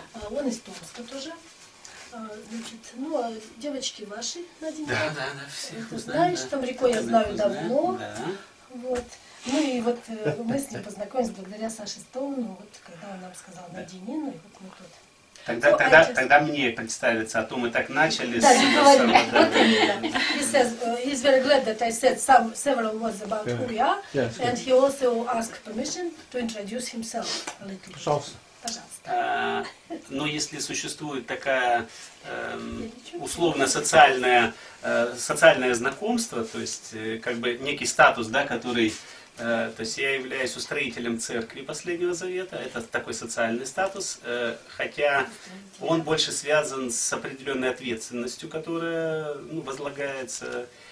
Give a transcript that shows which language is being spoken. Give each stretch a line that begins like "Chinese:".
Russian: Он из Томска тоже. Значит, ну, а девочки ваши, Наденька? Да, да, да, всех ты узнаем. Знаешь, да. Там Рико я знаю давно. Да. Вот. Ну и вот мы с ним познакомились благодаря Саше Стоуну, вот, когда он нам сказал Надине, ну и вот мы тут. Тогда мне представиться, а то мы так начали. Да, не говори.
English: He's very glad that I said several words about who we are, and he also asked permission to introduce himself a little.
Russian: Пожалуйста. Но если существует такая условно-социальное знакомство, то есть как бы некий статус, да, который... То есть я являюсь устроителем церкви Последнего Завета, это такой социальный статус, хотя он больше связан с определенной ответственностью, которая, ну, возлагается.